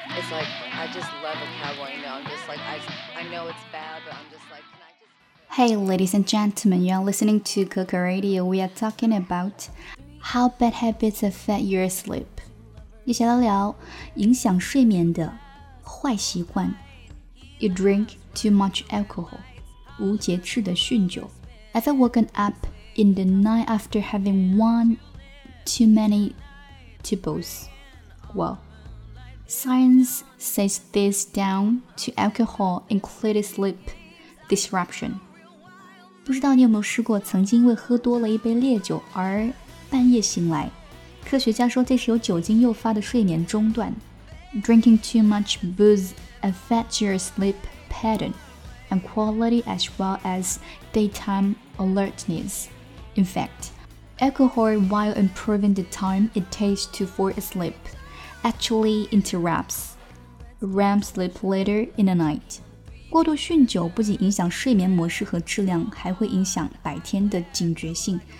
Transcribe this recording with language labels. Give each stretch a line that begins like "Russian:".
English: like, I just love a cowboy, you know, I'm just like, I know it's bad, but I'm just like, can I just... Hey, ladies and gentlemen, you are listening to Cooker Radio. We are talking about how bad habits affect your sleep.
Chinese: 一起来聊影响睡眠的坏习惯。
English: You drink too much alcohol.
Chinese: 无节制的酗酒。
English: Ever woken up in the night after having one too many tipples? Well, science says this down to alcohol included sleep disruption.
Chinese: 不知道你有没有试过曾经为喝多了一杯烈酒而半夜醒来。科学家说这是由酒精诱发的睡眠中断。
English: Drinking too much booze affects your sleep pattern and quality as well as daytime alertness. In fact, alcohol, while improving the time it takes to fall asleep, actually interrupts REM sleep later in the night.
Chinese: 过度酗酒不仅影响睡眠模式和质量，还会影响白天的警觉性。